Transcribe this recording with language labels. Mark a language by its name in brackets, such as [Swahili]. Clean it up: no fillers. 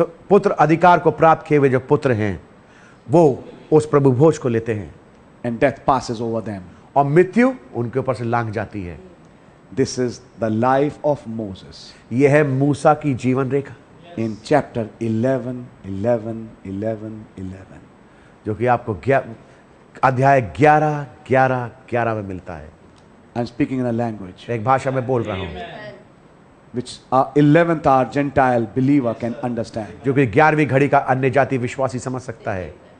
[Hindi] पुत्र अधिकार को प्राप्त किए हुए जो पुत्र हैं वो उस प्रभु भोज को लेते हैं. [English] And death passes over them. [Hindi] और मृत्यु उनके ऊपर से लांग जाती है. [English] This is the life of Moses. [Hindi] यह है मूसा की जीवन रेखा. [English] In chapter 11, 11, 11, 11. [Hindi] जो कि आपको अध्याय 11, 11, 11 में मिलता है. [English] I'm speaking in a language. [Hindi] एक भाषा में बोल रहा हूँ. [English] Which our 11th hour Gentile believer can understand. [Hindi] जो कि 11वीं घड़ी का अन्य जाति विश्वासी समझ सकता है.